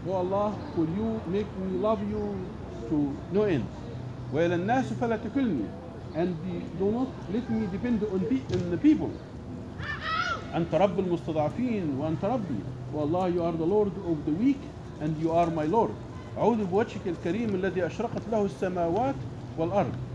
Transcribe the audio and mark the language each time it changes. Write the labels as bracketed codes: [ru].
[en] Oh Allah, will you make me love you to no end. [ar] وإلى الناس فلا تكلني. [en] And do not let me depend on the people. [ar] أنت رب المستضعفين وأنت ربي. [en] Oh Allah, you are the Lord of the weak and you are my Lord. [ar] أعوذ بوجهك الكريم الذي أشرقت له السماوات والأرض.